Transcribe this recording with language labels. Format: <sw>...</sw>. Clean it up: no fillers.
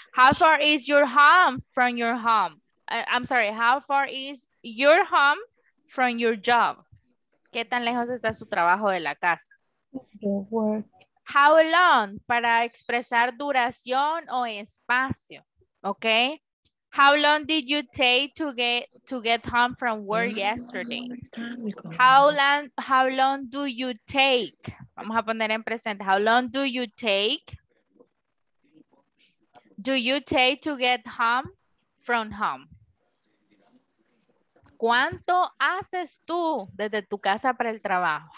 <en>How far is your home from your home? I'm sorry, how far is your home from your job?</en> <es>¿Qué tan lejos está su trabajo de la casa?</es> <en>How long,</en> <es>para expresar duración o espacio, ¿ok?</es> <en>How long did you take to get home from work yesterday? How long do you take?</en> <es>Vamos a poner en presente.</es> <en>How long do you take? Do you take to get home from home?</en> <es>¿Cuánto haces tú desde tu casa para el trabajo?</es>